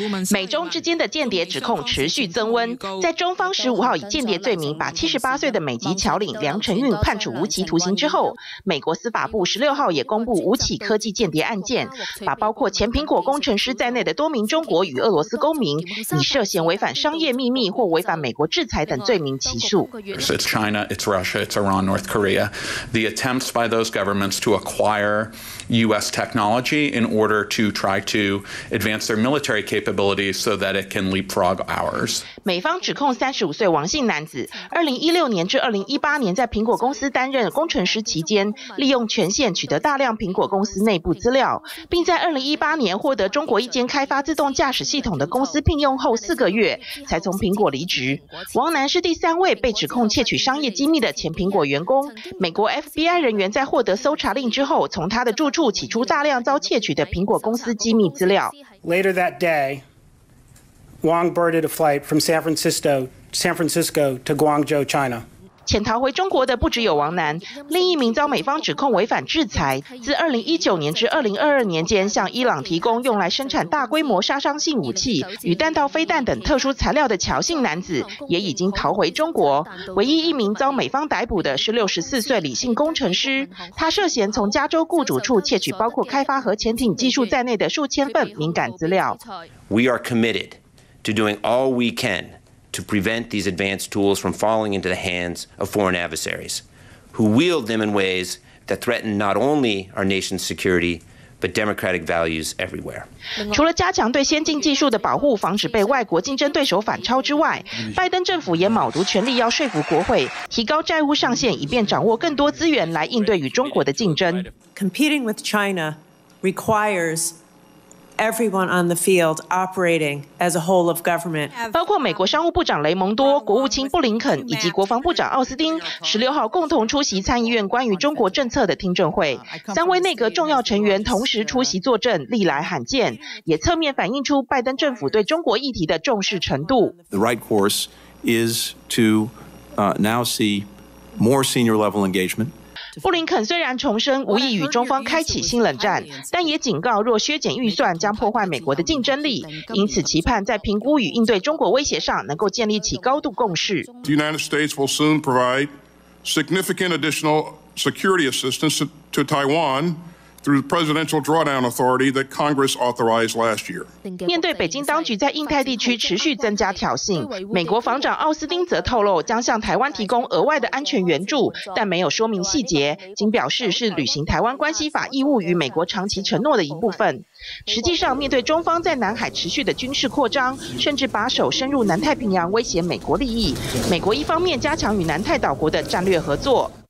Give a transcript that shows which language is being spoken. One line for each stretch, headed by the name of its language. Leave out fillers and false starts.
Chinese: 美中之间的间谍指控持续增温，在中方15号以间谍罪名把78岁的美籍侨领梁成运判处无期徒刑之后，美国司法部16号也公布5起科技间谍案件，把包括前苹果工程师在内的多名中国与俄罗斯公民以涉嫌违反商业秘密或违反美国制裁等罪名起诉。
English: It's China, it's Russia, it's Iran, North Korea. The attempts by those governments to acquire U.S. technology in order to try to advance their military capabilities so that it can leapfrog ours.
Chinese: 美方指控35岁王姓男子，2016年至2018年在苹果公司担任工程师期间，利用权限取得大量苹果公司内部资料，并在2018年获得中国一间开发自动驾驶系统的公司聘用后4个月，才从苹果离职。王男是第3位被指控窃取商业机密的前苹果员工。美国 FBI 人员在获得搜查令之后，从他的住处起出大量遭窃取的苹果公司机密资料。
English: Later that day, Wang boarded a flight from San Francisco to Guangzhou, China.
Chinese: 潜逃回中国的不只有王楠，另一名遭美方指控违反制裁，自2019年至2022年间向伊朗提供用来生产大规模杀伤性武器与弹道飞弹等特殊材料的乔姓男子，也已经逃回中国。唯一一名遭美方逮捕的是64岁李姓工程师，他涉嫌从加州雇主处窃取包括开发核潜艇技术在内的数千份敏感资料。
English: We are committed to doing all we can. To prevent these advanced tools from falling into the hands of foreign adversaries, who wield them in ways that threaten not only our nation's security. But democratic values everywhere.
Chinese: 除了加强对先进技术的保护，防止被外国竞争对手反超之外，拜登政府也卯足全力要说服国会提高债务上限，以便掌握更多资源来应对与中国的竞争。
English: Competing with China requires. Everyone on the field operating as a whole of government,
Chinese: 包括美国商务部长雷蒙多、国务卿布林肯以及国防部长奥斯汀，16号共同出席参议院关于中国政策的听证会。 3位内阁重要成员同时出席作证，历来罕见，也侧面反映出拜登政府对中国议题的重视程度。
English: The right course is to now see more senior level engagement.
Chinese: 布林肯虽然重申无意与中方开启新冷战，但也警告若削减预算将破坏美国的竞争力，因此期盼在评估与应对中国威胁上能够建立起高度共识。
English: The United States will soon provide significant additional security assistance to Taiwan. Through the presidential drawdown authority that Congress authorized last year.
Chinese: 面对北京当局在印太地区持续增加挑衅，美国防长奥斯汀则透露将向台湾提供额外的安全援助，但没有说明细节，仅表示是履行台湾关系法义务与美国长期承诺的一部分。实际上，面对中方在南海持续的军事扩张，甚至把手伸入南太平洋威胁美国利益，美国一方面加强与南太岛国的战略合作。